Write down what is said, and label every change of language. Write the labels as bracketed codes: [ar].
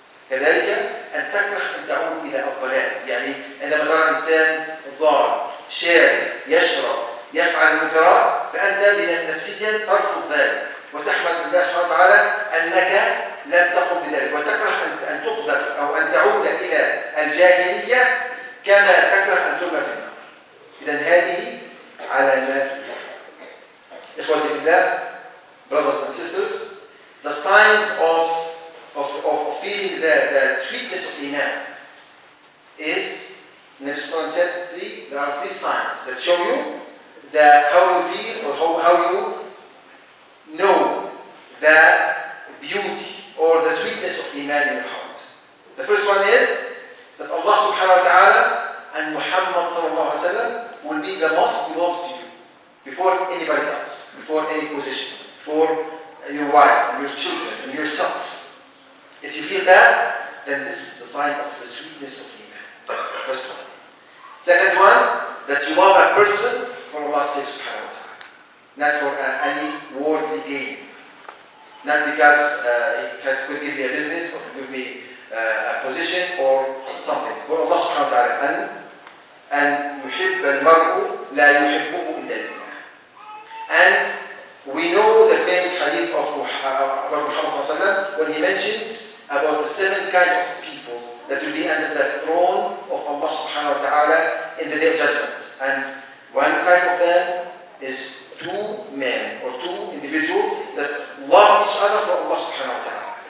[ar] كذلك أن تكره أن تعود إلى الضلال، يعني أن إذا رأى إنسان ضار شارب يشرب يفعل المنكرات فأنت نفسيا ترفض ذلك وتحمد الله سبحانه وتعالى أنك لم تقم بذلك، وتكره أن تقذف أو أن تعود إلى الجاهلية كما تكره أن ترمى في النار. إذا هذه علامات إخوتي في الله، [en] brothers and sisters, the signs of feeling the sweetness of iman is, Nabi Sallallahu Alaihi Wasallam said, there are three signs that show you that how you feel or how you know the beauty or the sweetness of iman in your heart. The first one is that Allah Subhanahu Wa Taala and Muhammad Sallallahu Alaihi Wasallam will be the most beloved to you. Before anybody else, before any position, before your wife and your children and yourself. If you feel that, then this is a sign of the sweetness of iman. First one. Second one, that you love a person for Allah's sake subhanahu wa ta'ala. Not for any worldly gain. Not because he could give me a business or could give me a position or something. For Allah subhanahu wa ta'ala. And [ar] يحب المرء لا يحبه إلا لله. [en] And we know the famous hadith of Muhammad sallallahu alaihi wasallam when he mentioned about the seven kind of people that will be under the throne of Allah subhanahu wa ta'ala in the day of judgment. And one type of them is two men or two individuals that love each other for Allah subhanahu wa ta'ala.